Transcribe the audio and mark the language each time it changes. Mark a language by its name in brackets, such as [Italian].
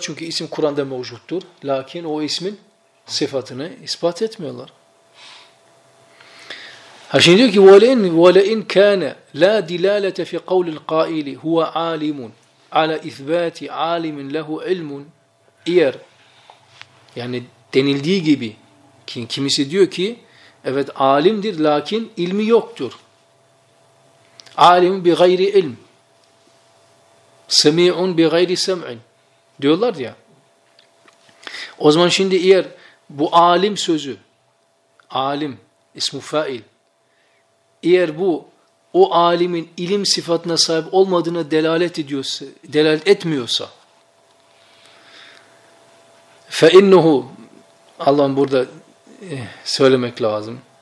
[Turkish] Çünkü isim Kur'an'da mevcuttur. Lakin o ismin sıfatını ispat etmiyorlar. Ha şimdi diyor ki [Arabic] وَلَئِنْ كَانَ لَا دِلَالَةَ فِي قَوْلِ الْقَائِلِ هُوَ عَالِمٌ عَلَى اِثْبَاتِ عَالِمٍ لَهُ عِلْمٌ اِيَرْ. [Turkish] Yani denildiği gibi, kimisi diyor ki Evet alimdir lakin ilmi yoktur. [Arabic] Alim bi gayri ilm. Semi'un bi gayri sem'in. [Turkish] Diyorlar ya. O zaman şimdi eğer bu alim sözü, alim, ismu fail, eğer bu o alimin ilim sıfatına sahip olmadığına delalet ediyorsa, delalet etmiyorsa, فَاِنَّهُ Allah'ım burada söylemek lazım.